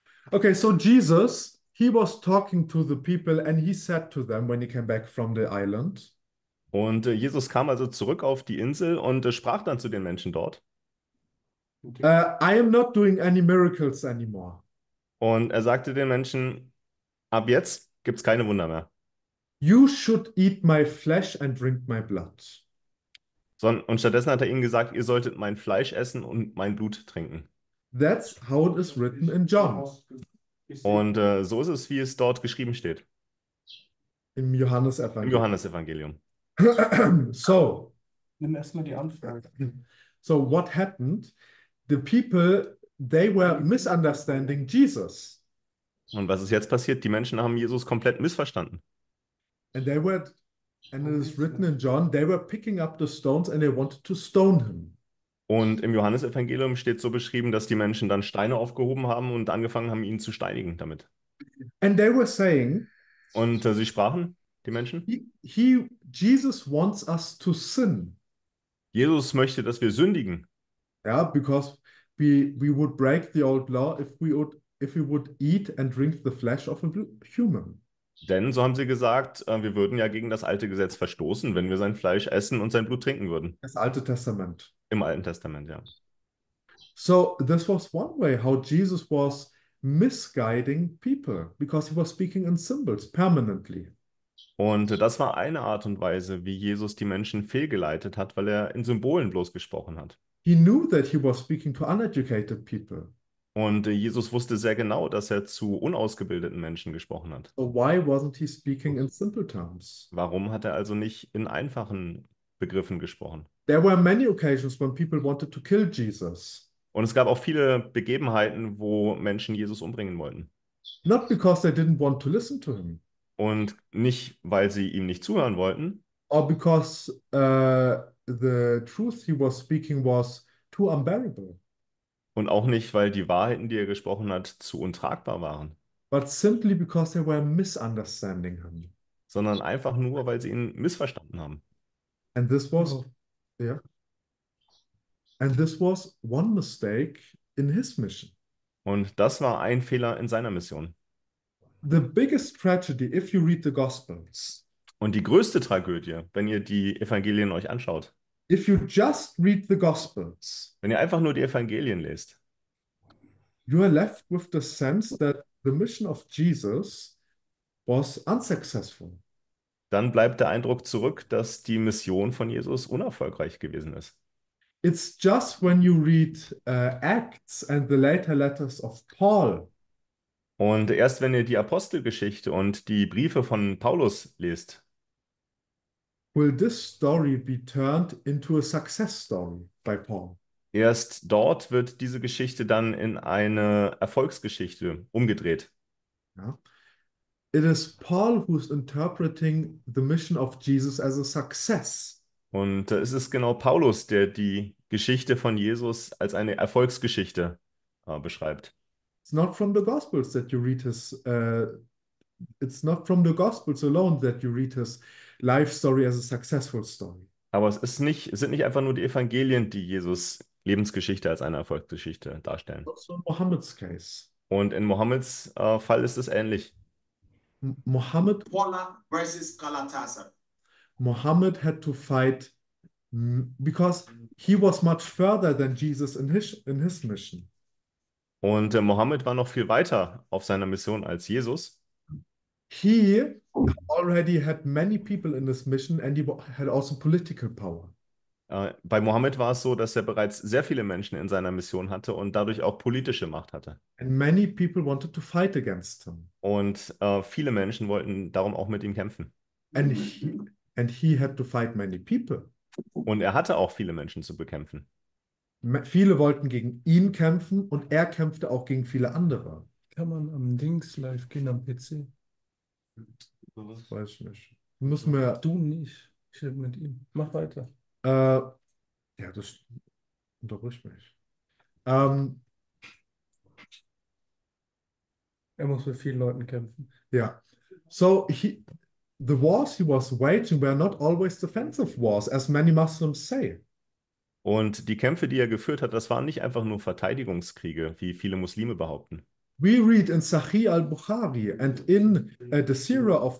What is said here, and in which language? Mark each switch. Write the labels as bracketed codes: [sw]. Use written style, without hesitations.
[en] Okay, so Jesus, he was talking to the people and he said to them when he came back from the island. [de] Und Jesus kam also zurück auf die Insel und sprach dann zu den Menschen dort. [en] I am not doing any miracles anymore. [de] Und er sagte den Menschen, ab jetzt gibt es keine Wunder mehr. [en] You should eat my flesh and drink my blood. [de] Und stattdessen hat er ihnen gesagt, ihr solltet mein Fleisch essen und mein Blut trinken. [en] That's how it is written in John. [de] Und so ist es, wie es dort geschrieben steht. Im Johannesevangelium. Johannesevangelium. So. Nimm erstmal die Anfrage. [en] So, what happened? The people, they were misunderstanding Jesus. [de] Und was ist jetzt passiert? Die Menschen haben Jesus komplett missverstanden. [en] And it is written in John, they were picking up the stones and they wanted to stone him. [de] Und im Johannesevangelium steht so beschrieben, dass die Menschen dann Steine aufgehoben haben und angefangen haben, ihn zu steinigen damit. [en] And they were saying, [de] Und sie sprachen, die Menschen. [en] Jesus wants us to sin. [de] Jesus möchte, dass wir sündigen. [en] Yeah, because we would break the old law if we would eat and drink the flesh of a human. [de] Denn, so haben sie gesagt, wir würden ja gegen das alte Gesetz verstoßen, wenn wir sein Fleisch essen und sein Blut trinken würden. Das Alte Testament. Im Alten Testament, ja. [en] So, this was one way how Jesus was misguiding people, because he was speaking in symbols permanently. [de] Und das war eine Art und Weise, wie Jesus die Menschen fehlgeleitet hat, weil er in Symbolen bloß gesprochen hat. [en] He knew that he was speaking to uneducated people. [de] Und Jesus wusste sehr genau, dass er zu unausgebildeten Menschen gesprochen hat. [en] So, why wasn't he speaking in simple terms? [de] Warum hat er also nicht in einfachen Begriffen gesprochen? [en] There were many occasions when people wanted to kill Jesus. [de] Und es gab auch viele Begebenheiten, wo Menschen Jesus umbringen wollten. [en] Not because they didn't want to listen to him. [de] Und nicht, weil sie ihm nicht zuhören wollten. [en] Or because the truth he was speaking was too unbearable. [de] Und auch nicht, weil die Wahrheiten, die er gesprochen hat, zu untragbar waren. [en] But simply because they were misunderstanding him. [de] Sondern einfach nur, weil sie ihn missverstanden haben. [en] And this was. Oh. Yeah. And this was one mistake in his mission. [de] Und das war ein Fehler in seiner Mission. [en] The biggest tragedy, if you read the Gospels, [de] Und die größte Tragödie, wenn ihr die Evangelien euch anschaut, [en] if you just read the Gospels, [de] wenn ihr einfach nur die Evangelien lest, [en] you are left with the sense that the mission of Jesus was unsuccessful. [de] dann bleibt der Eindruck zurück, dass die Mission von Jesus unerfolgreich gewesen ist. [en] It's just when you read Acts and the later letters of Paul. [de] Und erst wenn ihr die Apostelgeschichte und die Briefe von Paulus lest, [en] Will this story be turned into a success story by Paul? [de] erst dort wird diese Geschichte dann in eine Erfolgsgeschichte umgedreht. [en] Yeah. It is Paul who's interpreting the mission of Jesus as a success. [de] Und es ist genau Paulus, der die Geschichte von Jesus als eine Erfolgsgeschichte beschreibt. [en] It's not from the Gospels that you read his. It's not from the Gospels alone that you read his life story as a successful story. [de] Aber sind nicht einfach nur die Evangelien, die Jesus Lebensgeschichte als eine Erfolgsgeschichte darstellen. [en] Also in Mohammeds case. [de] Und in Mohammeds Fall ist es ähnlich. [en] Mohammed Waller versus Galatasaray. Mohammed had to fight because he was much further than Jesus in his mission. [de] Und Mohammed war noch viel weiter auf seiner Mission als Jesus. [en] He already had many people in this mission and he had also political power. [de] Bei Mohammed war es so, dass er bereits sehr viele Menschen in seiner Mission hatte und dadurch auch politische Macht hatte. [en] And many people wanted to fight against him. [de] Und viele Menschen wollten darum auch mit ihm kämpfen. [en] And he had to fight many people. [de] Und er hatte auch viele Menschen zu bekämpfen. Viele wollten gegen ihn kämpfen und er kämpfte auch gegen viele andere. Kann man am Dings live gehen am PC? Das weiß ich nicht. Müssen Also, wir. du nicht. Ich rede mit ihm. Mach weiter. Ja, das unterbricht mich. Er muss mit vielen Leuten kämpfen. Ja. [en] So, the wars he was waging were not always defensive wars, as many Muslims say. [de] Und die Kämpfe, die er geführt hat, das waren nicht einfach nur Verteidigungskriege, wie viele Muslime behaupten. [en] We read in Sahih al-Bukhari and in the Sirah of